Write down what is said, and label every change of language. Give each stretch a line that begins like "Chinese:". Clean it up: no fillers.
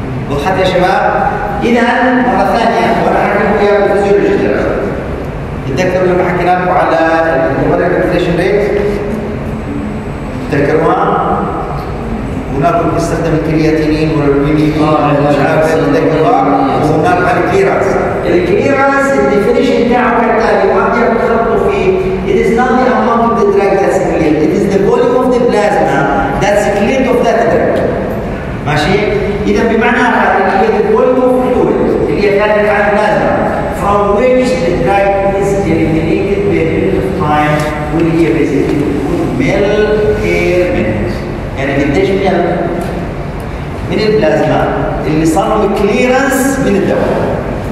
Arabic: وضحت يا شباب؟ إذا مرة ثانية وأنا حكيت لكم إياها بالفيزيولوجي تذكروا لما حكينا لكم على الهرمونال كونفليشن ريت تذكروها؟ هناك بنستخدم الكرياتينين والرومينين مش عارف تذكروها؟ وهناك على الكليرنس. الكليرنس الديفينيشن بتاعه كالتالي وعندي عم تخطوا فيه
English: It is not the amount of the drug that's cleared. It is the volume of the plasma that's cleared of that drug.
Arabic: ماشي؟ إذا بمعنى آخر اللي هي
English: the volume of fluid
Arabic: اللي هي خارج عن البلازما
English: from which the drug is eliminated by a period of time
Arabic: واللي هي
English: basically
Arabic: مل بير مينت. يعني قديش من البلازما اللي صار له كليرنس من الدواء.